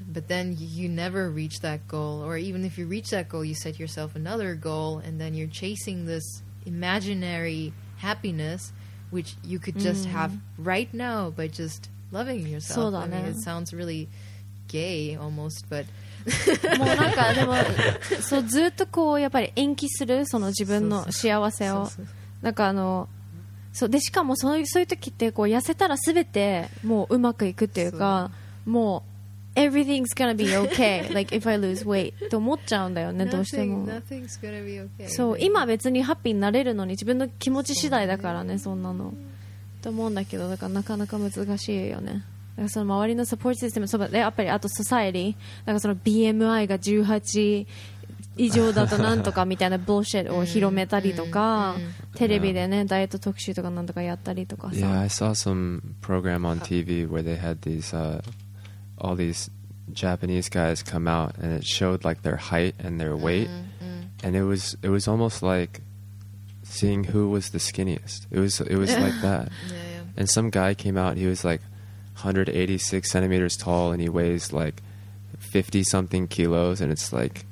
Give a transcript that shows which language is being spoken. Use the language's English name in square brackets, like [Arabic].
[English] But then you never reach that goal, or even if you reach that goal, you set yourself another goal, and then you're chasing this imaginary happiness, which you could just、mm. have right now by just loving yourself. So I mean, it sounds really gay almost, but. [Japanese] もうなんかでもそうずっとこうやっぱり延期するその自分の幸せをなんかあのそうでしかもそういう時ってこう痩せたら全てもううまくいくっていうかもう [English] everything's gonna be okay like if I lose weight [Japanese] と思っちゃうんだよねどうしてもそう今別にハッピーになれるのに自分の気持ち次第だからねそんなのと思うんだけどだからなかなか難しいよねだからその周りのサポートシステムそやっぱりあとソサエティだからその BMI が18以上だとなんとかみたいなブルシェットを広めたりとかテレビでねダイエット特集とかなんとかやったりとかさ [English] Yeah, I saw some program on TV where they had these、all these Japanese guys come out and it showed like their height and their weight、 mm-hmm. and it was almost like seeing who was the skinniest it was like that yeah. and some guy came out and he was like 186 centimeters tall and he weighs like 50 something kilos and it's like